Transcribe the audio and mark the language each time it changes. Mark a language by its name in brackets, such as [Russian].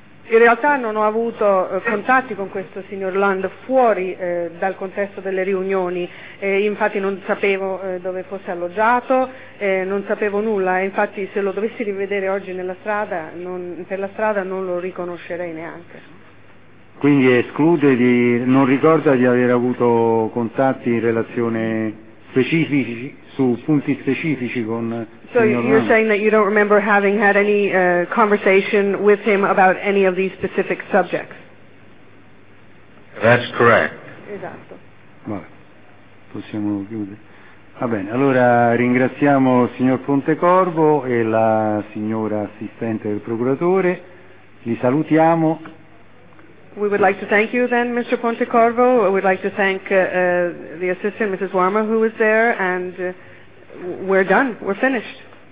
[Italian] In realtà non ho avuto contatti con questo signor Land fuori dal contesto delle riunioni, e infatti non sapevo dove fosse alloggiato, non sapevo nulla, e infatti se lo dovessi rivedere oggi nella strada, non lo riconoscerei neanche. Quindi esclude di, non ricorda di aver avuto contatti in relazione specifici, su punti specifici con... [English] So you're saying that you don't remember having had any conversation with him about any of these specific subjects? That's correct. [Italian] Esatto. Vabbè, possiamo chiudere. Va bene, allora ringraziamo il signor Pontecorvo e la signora assistente del procuratore. Li salutiamo. [English] We would like to thank you then, Mr. Pontecorvo. We would like to thank the assistant, Mrs. Warmer, who was there, and... We're done. We're finished.